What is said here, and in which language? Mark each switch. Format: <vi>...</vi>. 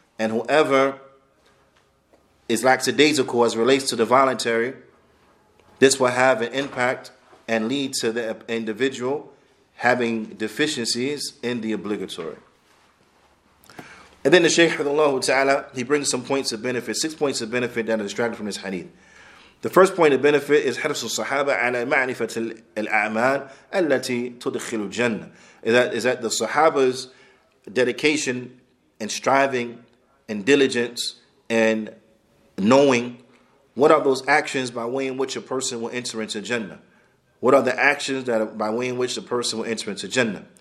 <en>And whoever is lackadaisical as relates to the voluntary, this will have an impact and lead to the individual having deficiencies in the obligatory. And then the Shaykh, تعالى, he brings some points of benefit, 6 points of benefit that are extracted from this hadith. The first point of benefit is</en> <ar>حرص الصحابة على معرفة الأعمال التي تدخل الجنة.</ar> <en>Is that the Sahaba's dedication and striving and diligence and knowing what are those actions by way in which a person will enter into Jannah? What are the actions that by way in which the person will enter into Jannah?</en>